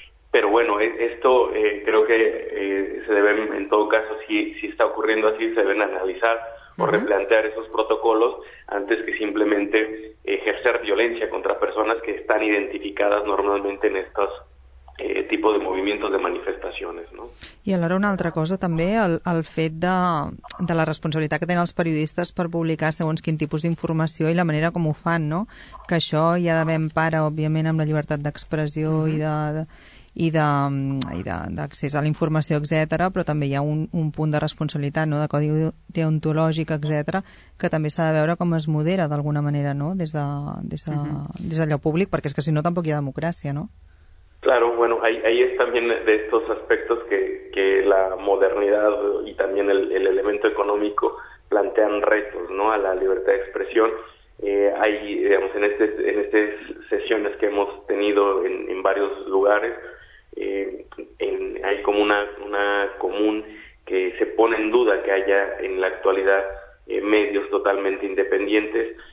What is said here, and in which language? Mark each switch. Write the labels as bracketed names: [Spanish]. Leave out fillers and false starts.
[Spanish] Pero bueno, esto creo que se deben, en todo caso, si está ocurriendo así, se deben analizar o replantear esos protocolos antes que simplemente ejercer violencia contra personas que están identificadas normalmente en estos tipos de movimientos, de manifestaciones, ¿no? [Catalan] I alhora, una altra cosa també, el fet de la responsabilitat que tenen els periodistes per publicar segons quin tipus d'informació i la manera com ho fan, no? Que això ja devem para, òbviament, amb la llibertat d'expressió d'accés a la informació, etc., però també hi ha un punt de responsabilitat, no?, de codi deontològic, etc., que també s'ha de veure com es modera d'alguna manera, no?, des d'allò públic, perquè és que si no tampoc hi ha democràcia, no? [Spanish] Claro, bueno, ahí es también de estos aspectos que la modernidad y también el elemento económico plantean retos, ¿no?, a la libertad de expresión. Hay, digamos, en estas sesiones que hemos tenido en varios lugares, hay como una común que se pone en duda que haya en la actualidad medios totalmente independientes.